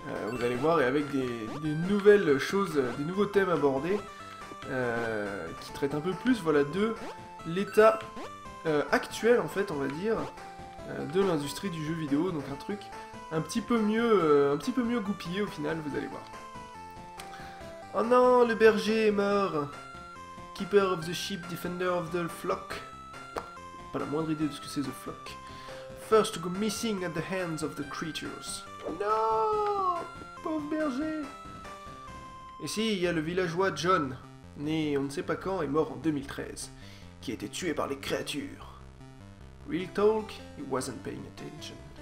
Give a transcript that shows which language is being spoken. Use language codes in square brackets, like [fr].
[fr] Vous allez voir, et avec des nouvelles choses, des nouveaux thèmes abordés qui traitent un peu plus, voilà, de l'état actuel, en fait, on va dire, de l'industrie du jeu vidéo. Donc un truc un petit peu mieux goupillé au final, vous allez voir. Oh non, le berger est mort. [en] Keeper of the sheep, defender of the flock. [fr] Pas la moindre idée de ce que c'est [en] the flock. First to go missing at the hands of the creatures. [fr] Non, pauvre berger. Ici, il y a le villageois John, né on ne sait pas quand et mort en 2013, qui a été tué par les créatures. [en] Real talk, he wasn't paying attention.